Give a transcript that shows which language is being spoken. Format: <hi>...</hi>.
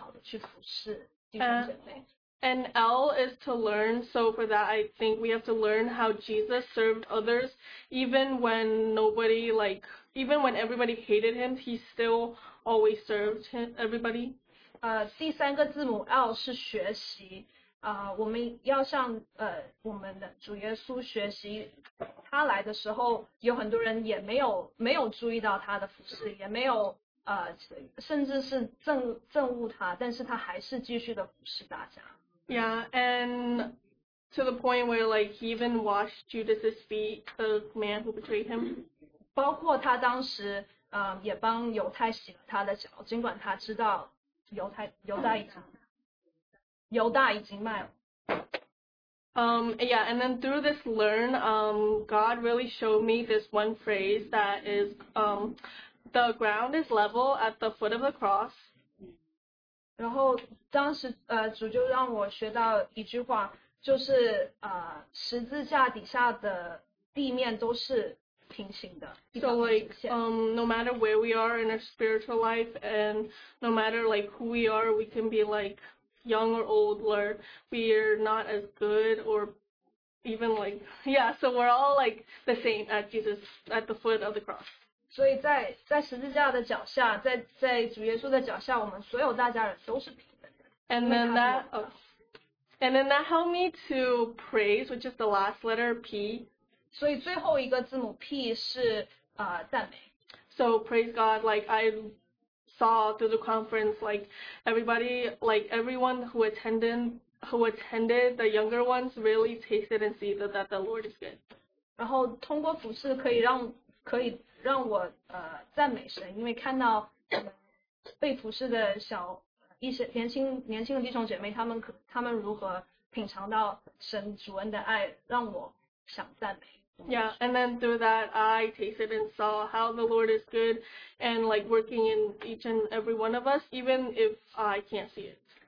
<zh>第二个字母E，那个字母的它的更深的解答是经历，我们都必须要经历耶稣，这样我们才通过我们的经历才能更好的去服侍弟兄姐妹。</zh> <en>And L is to learn, so for that I think we have to learn how Jesus served others, even when nobody, like, even when everybody hated him, he still always served everybody.</en> <zh>第三个字母L是学习，我们要向我们的主耶稣学习，他来的时候有很多人也没有注意到他的服事，也没有甚至是憎恶他，但是他还是继续的服事大家。</zh> <en>Yeah, and to the point where like he even washed Judas's feet, the man who betrayed him.</en> <zh>包括他当时也帮犹太洗了他的脚，尽管他知道犹大已经卖了。</zh> <en>Yeah, and then through this learn, God really showed me this one phrase that is, the ground is level at the foot of the cross.</en> <zh>然后当时主就让我学到一句话，就是十字架底下的地面都是平行的。</zh> <en>So like, no matter where we are in our spiritual life, and no matter like who we are, we can be like young or old, or we're not as good or even like, yeah, so we're all like the same at Jesus, at the foot of the cross.</en> <zh>所以在十字架的脚下，在主耶稣的脚下，我们所有大家人都是平等的。</zh> <en>And then that, and then that helped me to praise, which is the last letter, P.</en> <zh>所以最后一个字母 P 是赞美。</zh> <en>So praise God, like I saw through the conference, like everybody, like everyone who attended, the younger ones really tasted and see that the Lord is good.</en> <zh>然后通过服事可以让我赞美神，因为看到被服事的小一些年轻的弟兄姐妹，他们如何品尝到神主恩的爱，让我想赞美。</zh> <en>Yeah, and then through that, I tasted and saw how the Lord is good and like working in each and every one of us, even if I can't see it.</en>